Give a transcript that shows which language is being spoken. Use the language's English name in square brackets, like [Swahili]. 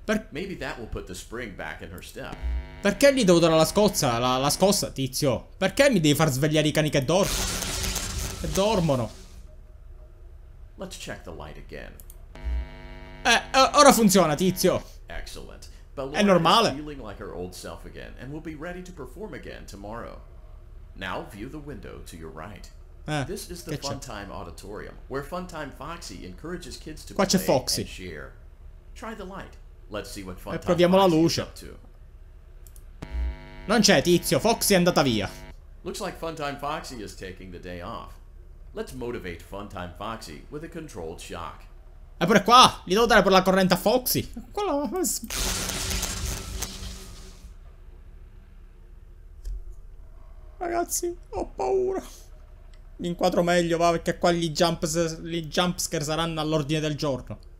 [English] Maybe that will put the spring back in her step. [Italian] Perché gli devo dare la scossa? La scossa, tizio. Perché mi devi far svegliare i cani che dormono? Che dormono. [English] Let's check the light again. [Italian] Ora funziona, tizio. Excellent. È normale. [English] Feeling like her old self again and will be ready to perform again tomorrow. Now view the window to your right. This is the Funtime Auditorium, where Funtime Foxy encourages kids to play. [Italian] Qua c'è Foxy. [English] And share. Try the light. Let's see what Funtime. [Italian] E proviamo la luce. Non c'è, tizio. Foxy è andata via. [English] Looks like Funtime Foxy is taking the day off. Let's motivate Funtime Foxy with a controlled shock. [Italian] E pure qua, gli devo dare per la corrente a Foxy. Quello. Ragazzi, ho paura. Mi inquadro meglio, va, perché qua gli jumpscare saranno all'ordine del giorno.